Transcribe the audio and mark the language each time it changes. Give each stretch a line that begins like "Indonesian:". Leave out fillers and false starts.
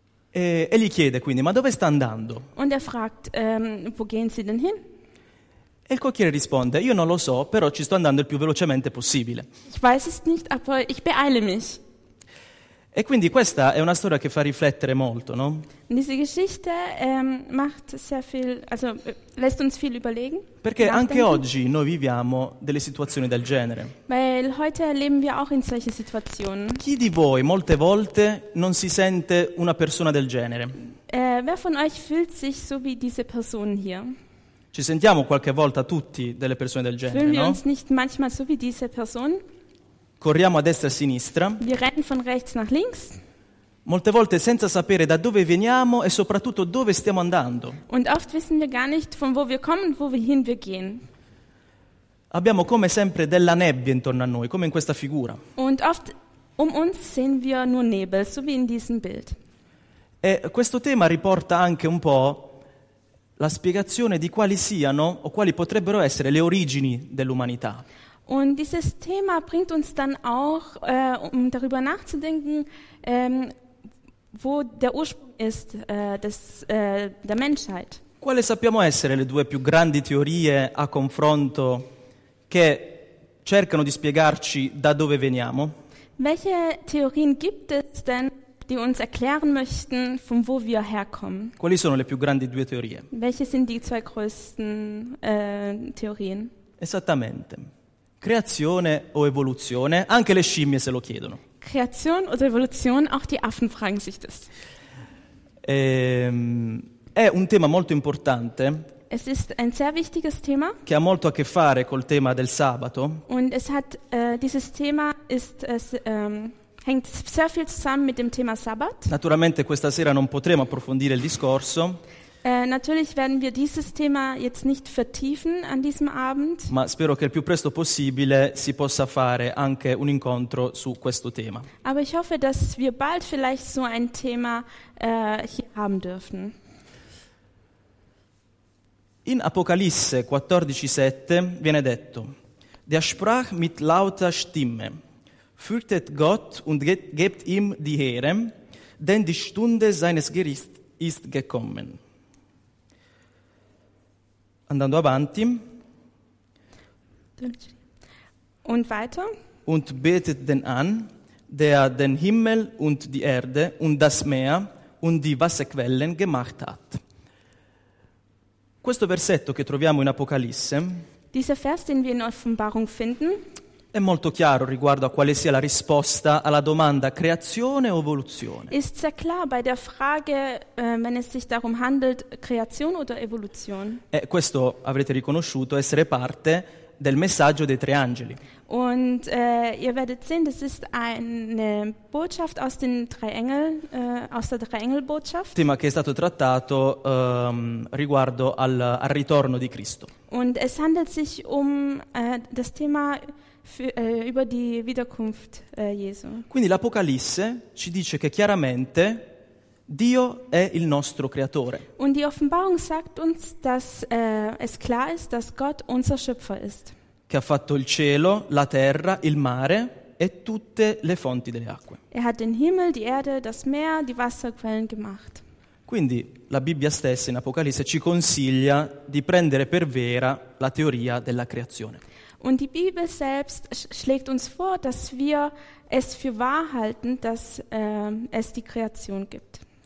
Italian: E gli chiede quindi, ma dove sta andando?
German: Und er fragt, wo gehen Sie denn hin?
Italian: E il cocchiere risponde, io non lo so, però ci sto andando il più velocemente possibile.
German: Ich weiß es nicht, aber ich beeile mich.
Italian: E quindi questa è una storia che fa riflettere molto, no?
German: Diese Geschichte macht sehr viel, also lässt uns viel überlegen.
Italian: Perché anche oggi noi viviamo delle situazioni del genere.
German: Weil heute leben wir auch in solche Situationen.
Italian: Chi di voi molte volte non si sente una persona del genere?
German: Wer von euch fühlt sich so wie diese Person hier?
Italian: Ci sentiamo qualche volta tutti delle persone del genere,
German: fühlen Fühlen wir uns nicht manchmal so wie diese Person?
Italian: Corriamo a destra e a sinistra.
German: Wir rennen von rechts nach links.
Italian: Molte volte senza sapere da dove veniamo e soprattutto dove stiamo andando.
German: Und oft wissen wir gar nicht, von wo wir kommen, wohin wir gehen.
Italian: Abbiamo come sempre della nebbia intorno a noi, come in questa figura.
German: Und oft um uns sehen wir nur Nebel, so wie in diesem Bild.
Italian: E questo tema riporta anche un po' la spiegazione di quali siano o quali potrebbero essere le origini dell'umanità.
German: Und dieses Thema bringt uns dann auch, darüber nachzudenken, wo der Ursprung ist der Menschheit.
Italian: Quali sappiamo essere le due più grandi teorie a confronto che cercano di spiegarci da dove veniamo?
German: Welche Theorien gibt es denn, die uns erklären möchten, von wo wir herkommen?
Italian: Quali sono le più grandi due teorie?
German: Welche sind die zwei größten Theorien?
Italian: Esattamente. Creazione o evoluzione? Anche le scimmie se lo chiedono. Creazione o evoluzione?
German: Auch die Affen fragen sich das.
Italian: È un tema molto importante.
German: Es ist ein sehr wichtiges Thema.
Italian: Che ha molto a che fare col tema del sabato.
German: Und es hat dieses Thema ist es hängt sehr viel zusammen mit dem Thema Sabbat.
Italian: Naturalmente questa sera non potremo approfondire il discorso.
German: Natürlich werden wir dieses Thema jetzt nicht vertiefen an diesem Abend.
Italian: Ma spero che il più presto possibile si possa fare anche un incontro su questo tema.
German: Aber ich hoffe, dass wir bald vielleicht so ein Thema hier haben dürfen.
Italian: In Apocalisse 14,7 viene detto:
German: Der sprach mit lauter Stimme: Fürchtet Gott und gebt ihm die Ehre, denn die Stunde seines Gerichts ist gekommen.
Italian: Andando avanti.
German: Und weiter. Und betet den an, der den Himmel und die Erde und das Meer und die Wasserquellen gemacht hat.
Italian: Questo versetto che troviamo in Apocalisse.
German: Dieser Vers, den wir in Offenbarung finden.
Italian: È molto chiaro riguardo a quale sia la risposta alla domanda creazione o evoluzione.
German: Ist sehr klar bei der Frage, wenn es sich darum handelt, Kreation oder Evolution.
Italian: Questo avrete riconosciuto essere parte del messaggio dei tre angeli.
German: Und ihr werdet sehen, das ist eine Botschaft aus den drei Engeln, aus der Dreiengelbotschaft.
Italian: Tema che è stato trattato riguardo al ritorno di Cristo.
German: Und es handelt sich um das Thema über die Wiederkunft Jesu.
Italian: Quindi l'Apocalisse ci dice che chiaramente Dio è il nostro creatore.
German: Und die Offenbarung sagt uns, dass es klar ist, dass Gott unser Schöpfer ist.
Italian: Che ha fatto il cielo, la terra, il mare e tutte le fonti delle acque.
German: Er hat den Himmel, die Erde, das Meer, die Wasserquellen gemacht.
Italian: Quindi la Bibbia stessa in Apocalisse ci consiglia di prendere per vera la teoria della creazione.
German: Und die Bibel selbst schlägt uns vor, dass wir es für wahr halten, dass es die Kreation gibt.